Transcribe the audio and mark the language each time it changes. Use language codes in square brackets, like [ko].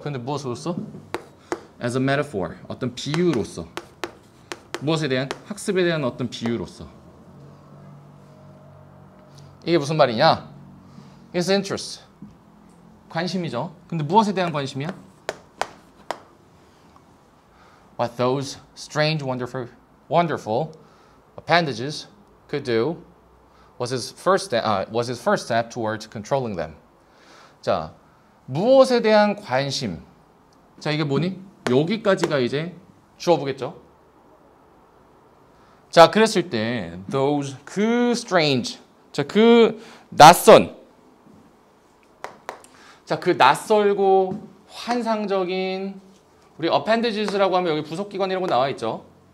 [ko] 그런데 무엇으로써? [en] As a metaphor, [ko] 어떤 비유로서. 무엇에 대한? 학습에 대한 어떤 비유로서. 이게 무슨 말이냐? [en] It's interest. [ko] 관심이죠. 근데 무엇에 대한 관심이야? [en] What those strange, wonderful appendages could do was his first step towards controlling them. [ko] 자, 무엇에 대한 관심? 자, 이게 뭐니? 여기까지가 이제 주어보겠죠? 자, 그랬을 때 those 그 strange, 자, 그 낯선, 자, 그 낯설고 환상적인 우리 appendages라고 하면 여기 부속기관이라고 나와 있죠?